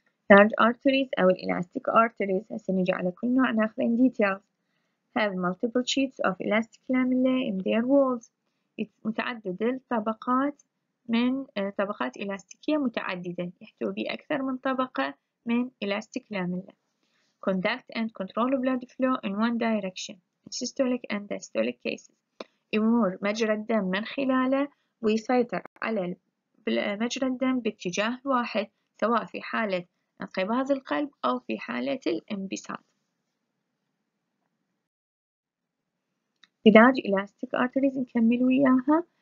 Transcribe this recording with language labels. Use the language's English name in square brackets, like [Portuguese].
[English] large arteries أو الإلاستيك arteries [Arabic] هسه نجي على كل نوع ناخذ [English] in details have multiple sheets of elastic lamellae in their walls. [Arabic] متعدد الطبقات من طبقات إلاستيكية متعددة يحتوي بأكثر من طبقة من إلاستيك لاملة. [English] Conduct and control blood flow in one direction in systolic and diastolic cases. [Arabic] يمر مجرى الدم من خلاله ويسيطر على مجرى الدم باتجاه واحد سواء في حالة انقباض القلب أو في حالة الانبساط. [English] Large elastic arteries [Arabic] نكمل وياها.